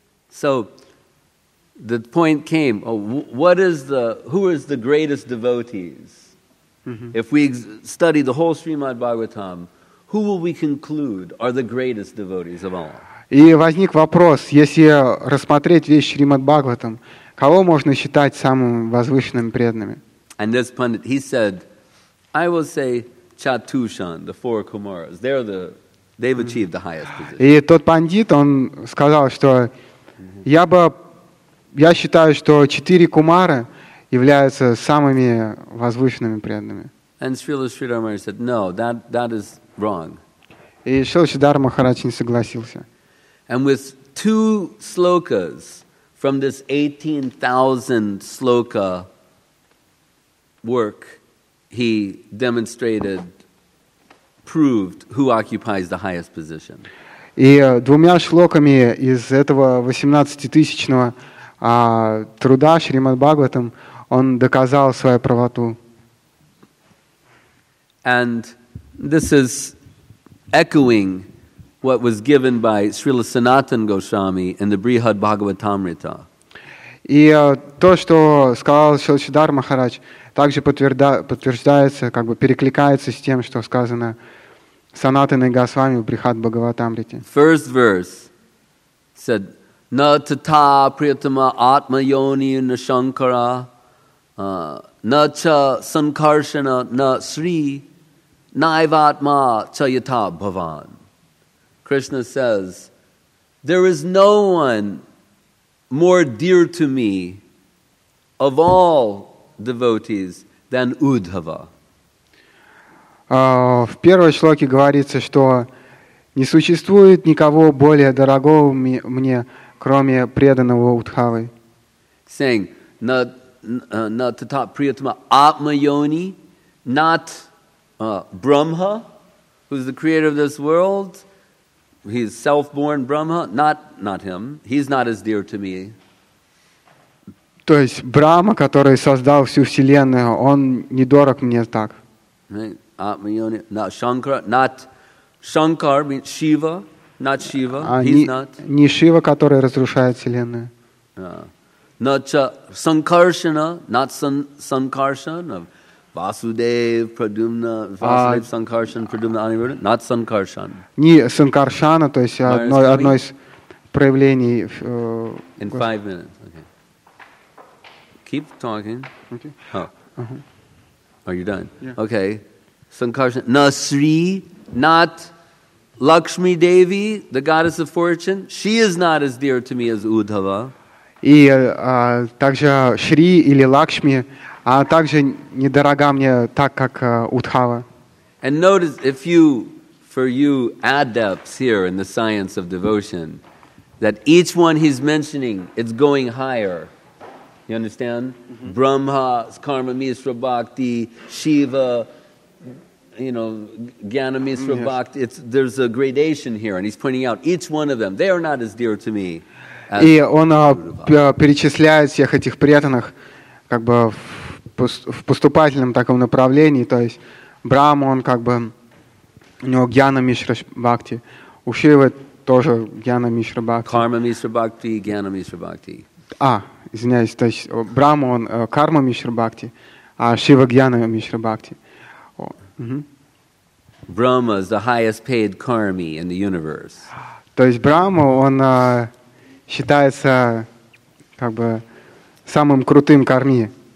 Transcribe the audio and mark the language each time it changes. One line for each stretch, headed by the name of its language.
English: So the point came, what is the, who is the greatest devotees? If we study the whole Srimad Bhagavatam, who will we conclude are the greatest devotees of all?
Russian: И возник вопрос, если рассмотреть весь Шримад Бхагаватам, кого можно считать самым возвышенным преданным?
English: And this pundit, he said, I will say Chatushan, the four Kumaras. They're the, they've achieved the highest position.
Russian: И тот пандит, он сказал, что я считаю, что четыре Кумары являются самыми возвышенными преданными.
English: And Srila Sridhar Maharaj said, no, that is wrong.
Russian: И Шрила Сридхар Махарадж не согласился.
English: And with two slokas from this 18,000 sloka work, he demonstrated, proved who occupies the highest position.
Russian: И двумя шлоками из этого 18-тысячного труда Шримад Бхагаватам он доказал свою правоту.
English: And this is echoing what was given by Srila Sanatan Goswami in the Brihad Bhagavatamrita.
Russian: И то, что сказал Шрила Сридхара Махарадж, также подтверждается, как бы перекликается с тем, что сказано Санатаной Госвами в Брихад Бхагаватамрите.
Sanskrit: First verse said, Na tata priyatama atma yoni na shankara, na cha sankarshana na sri, naivatma cha yata bhavan.
English: Krishna says, there is no one more dear to me of all devotees than Uddhava.
Russian: В первой шлоке говорится, что не существует никого более дорогого мне, кроме преданного Уддхавы.
English: Saying,
Sanskrit: na tata priyatama atma yoni,
English: not Brahma, who's the creator of this world, he's self-born Brahma, not him. He's not as dear to me.
Russian: То есть Брахма, который создал всю вселенную, он не дорог мне так.
English: Атмайони, not Shankara, not Shankar means Shiva, not Shiva. He's not.
Russian: Не Шива, который разрушает вселенную.
English: Not Sankarsana, not Sankarsana, of Vasudev, Pradyumna, Vasudev, Sankarshan, Pradyumna, Anirudha, not Sankarshan.
Russian: Не Sankarshan, то есть одно из проявлений.
English: In 5 minutes, okay. Keep talking. Okay. Oh. Are you done? Yeah. Okay. Sankarshan, Nasri, not Lakshmi Devi, the goddess of fortune. She is not as dear to me as Uddhava.
Russian: И также Шри или Лакшми, а также недорога мне так, как Удхава.
English: And notice, if you, for you adepts here in the science of devotion, that each one he's mentioning, it's going higher. You understand? Mm-hmm. Brahma, Karma Misra Bhakti, Shiva, you know, Jnana Misra Bhakti. Yes. There's a gradation here, and he's pointing out each one of them. They are not as dear to me.
Russian: И он перечисляет всех этих преданных как бы в поступательном таком направлении, то есть Брахма, он как бы у него Гьяна Мишра Бхакти, у Шивы тоже Гьяна Мишра Бхакти. Карма Мишра Бхакти, Гьяна Мишра Бхакти. А, извиняюсь, то есть Брахма, он Карма Мишра Бхакти, а Шива Гьяна Мишра Бхакти.
English: Брахма is the highest paid karmi in the universe.
Russian: То есть Брахма, он считается как бы самым крутым карми.